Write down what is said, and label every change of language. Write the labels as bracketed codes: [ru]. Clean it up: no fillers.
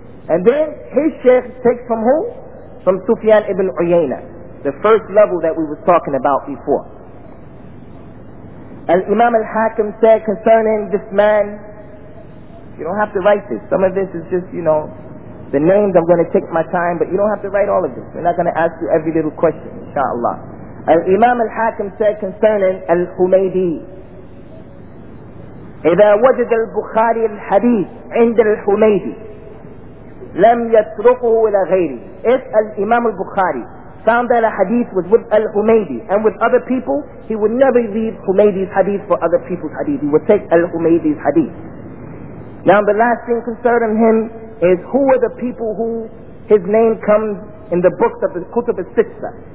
[en] And then his Shaykh takes from who? From Sufyan ibn Uyayna, the first level that we were talking about before. Al-Imam al-Hakim said concerning this man, you don't have to write this. Some of this is just, you know, the names, I'm going to take my time, but you don't have to write all of this. We're not going to ask you every little question, inshallah. Al-Imam al-Hakim said concerning al-Humaydi, [ar] إِذَا وَجَدَ الْبُخَارِي الْحَدِيثِ عِنْدَ الْحُمَيْدِ لَمْ يَتْرُقُهُ إِلَى غَيْرِ. [en] If al-Imam al-Bukhari found that a hadith was with al-Humaydi and with other people, he would never leave Humaydi's hadith for other people's hadith. He would take al-Humaydi's hadith. Now the last thing concerning him is who are the people who his name comes in the books of the Kutub al-Sitta.